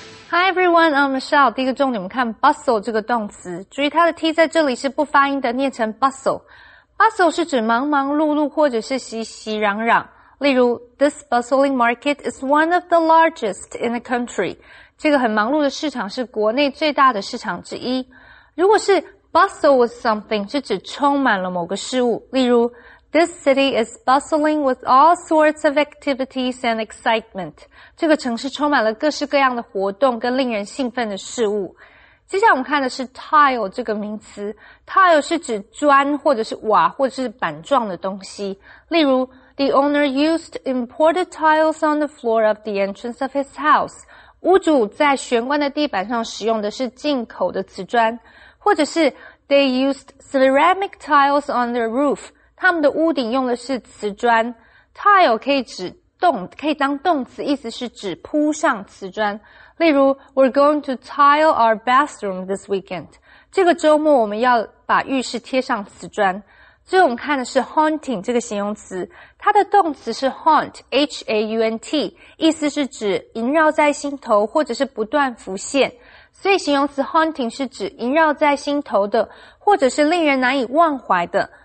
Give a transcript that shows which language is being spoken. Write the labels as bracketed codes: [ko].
[en] Hi everyone, I'm Michelle. [zh] 第一个重点我们看 bustle 这个动词。注意它的 T 在这里是不发音的，念成 bustle。Bustle 是指忙忙碌碌或者是熙熙攘攘。例如 [en] ,this bustling market is one of the largest in the country. [zh] 这个很忙碌的市场是国内最大的市场之一。如果是 bustle with something, 是指充满了某个事物。例如 [en] ,this city is bustling with all sorts of activities and excitement. [zh] 这个城市充满了各式各样的活动跟令人兴奋的事物。接下来我们看的是 tile 这个名词。tile 是指砖或者是瓦或者是板状的东西。例如 [en] ,the owner used imported tiles on the floor of the entrance of his house. [zh] 屋主在玄关的地板上使用的是进口的瓷砖。或者是 [en] ,they used ceramic tiles on their roof. [zh] 他们的屋顶用的是瓷砖。tile 可以指动，可以当动词，意思是指铺上瓷砖。例如 [en] ,we're going to tile our bathroom this weekend. [zh] 这个周末我们要把浴室贴上瓷砖。最后我们看的是 haunting 这个形容词。它的动词是 haunt,h-a-u-n-t, 意思是指萦绕在心头或者是不断浮现。所以形容词 haunting 是指萦绕在心头的或者是令人难以忘怀的。